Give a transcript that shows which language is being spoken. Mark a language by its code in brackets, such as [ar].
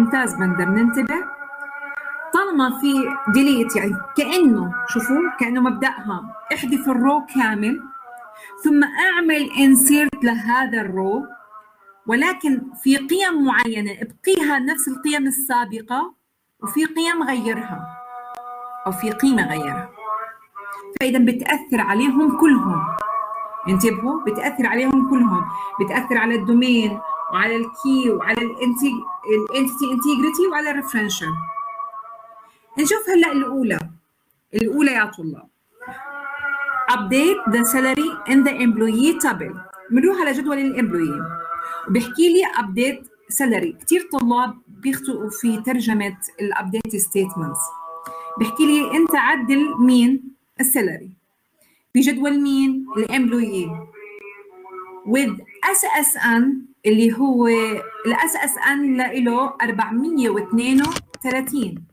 [ar] ممتاز بندر، ننتبه، طالما في ديليت يعني كأنه، شوفوا، كأنه مبدأها احذف الرو كامل ثم اعمل انسيرت لهذا الرو، ولكن في قيم معينة ابقيها نفس القيم السابقة، وفي قيم غيرها، او في قيمة غيرها، فإذا بتأثر عليهم كلهم، انتبهوا، بتأثر عليهم كلهم، بتأثر على الدومين وعلى الكي وعلى الانتيتي انتيجريتي وعلى الريفرنشال. نشوف هلأ الأولى يا طلاب، [en] update the salary in the employee table. [ar] منروح على جدول الامبلوي، بحكي لي update salary. كتير طلاب بيخطئوا في ترجمة الupdate statements، بحكي لي انت عدل مين؟ السالري. في جدول مين؟ الامبلوي with SSN، اللي هو SSN لإله 432.